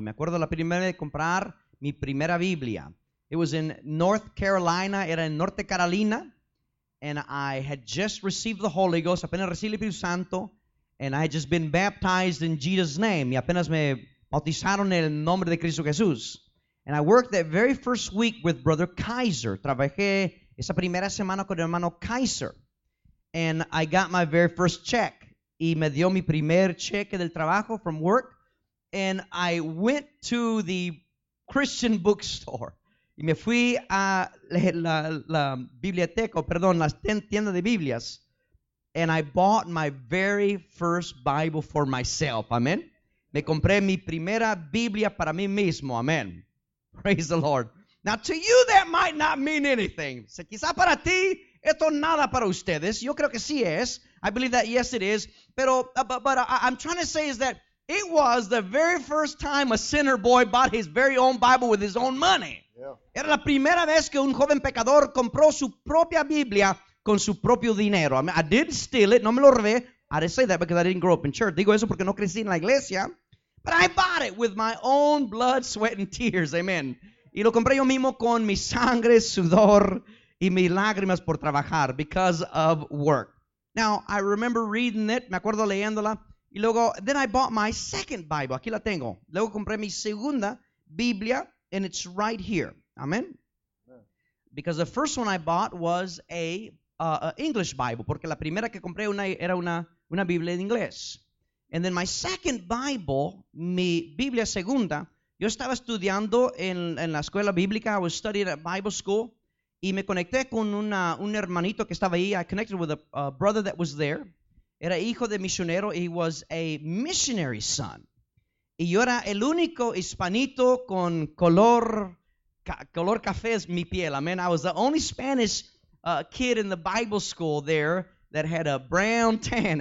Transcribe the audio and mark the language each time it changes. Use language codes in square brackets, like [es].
[es] Me acuerdo la primera vez de comprar mi primera Biblia. [en] It was in North Carolina. [es] Era en Norte Carolina. [en] And I had just received the Holy Ghost. [es] Apenas recibí el Espíritu Santo. [en] And I had just been baptized in Jesus' name. [es] Y apenas me bautizaron el nombre de Cristo Jesús. [en] And I worked that very first week with Brother Kaiser. [es] Trabajé esa primera semana con el hermano Kaiser. [en] And I got my very first check. [es] Y me dio mi primer cheque del trabajo [en] from work. And I went to the Christian bookstore. [es] Y me fui a la biblioteca, perdón, la tienda de Biblias. [en] And I bought my very first Bible for myself. Amen. [es] Me compré mi primera Biblia para mí mismo. [en] Amen. Praise the Lord. Now, to you, that might not mean anything. [es] Si, quizá para ti, esto nada para ustedes. Yo creo que sí es. [en] I believe that, yes, it is. But I'm trying to say is that it was the very first time a sinner boy bought his very own Bible with his own money. Yeah. [es] Era la primera vez que un joven pecador compró su propia Biblia con su propio dinero. [en] I mean, I did steal it. [es] No me lo robé. [en] I didn't say that because I didn't grow up in church. [es] Digo eso porque no crecí en la iglesia. [en] But I bought it with my own blood, sweat, and tears. [es] Amen. Y lo compré yo mismo con mi sangre, sudor, y mis lágrimas por trabajar [en] because of work. Now, I remember reading it. [es] Me acuerdo leyéndola. Y luego, [en] then I bought my second Bible. [es] Aquí la tengo. Luego compré mi segunda Biblia, [en] and it's right here. [es] Amen. [en] Because the first one I bought was a English Bible. [es] Porque la primera que compré era una Biblia en inglés. [en] And then my second Bible, [es] mi Biblia segunda, yo estaba estudiando en la escuela bíblica. [en] I was studying at Bible school. [es] Y me conecté con un hermanito que estaba ahí. [en] I connected with a brother that was there. [es] Era hijo de misionero. He was a missionary son. Y yo era el único hispanito con color café es mi piel. Amen. [en] I was the only Spanish kid in the Bible school there that had a brown tan.